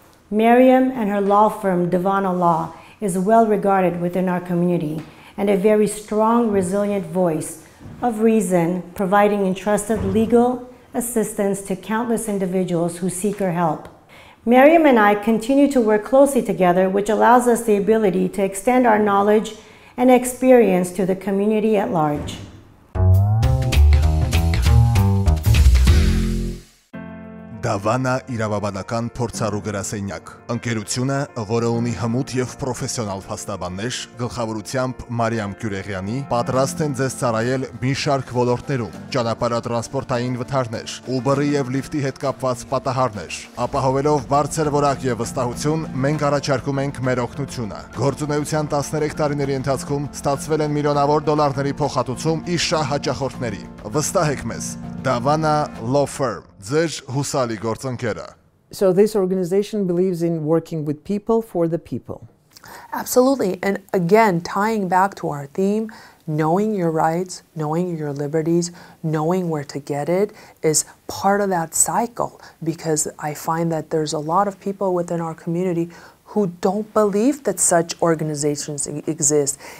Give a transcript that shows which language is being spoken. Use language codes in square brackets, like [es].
[en] Mariam and her law firm, Divana Law, is well regarded within our community and a very strong, resilient voice of reason, providing entrusted legal assistance to countless individuals who seek her help. Mariam and I continue to work closely together, which allows us the ability to extend our knowledge and experience to the community at large. [hy] Դավանա իրավաբանական փորձառուգրասենյակ, ընկերությունը, որը ունի հմուտ և պրոֆեսիոնալ փաստաբաններ, գլխավորությամբ Մարիամ Քյուրեղյանի, պատրաստ են ձեզ ծառայել մի շարք ոլորտներում, ճանապարհատրանսպորտային վթարներ, Uber-ի և Lyft-ի հետ կապված պատահարներ, ապահովելով բարձր որակ և վստահություն, մենք առաջարկում ենք մեր օգնությունը։ Գործունեության 13 տարիների ընթացքում ստացվել են միլիոնավոր դոլարների փոխհատուցում ի շահ հաճախորդների։ Վստահեք մեզ, Դավանա Law Firm. [en] So this organization believes in working with people for the people. Absolutely. And again, tying back to our theme, knowing your rights, knowing your liberties, knowing where to get it is part of that cycle, because I find that there's a lot of people within our community who don't believe that such organizations exist.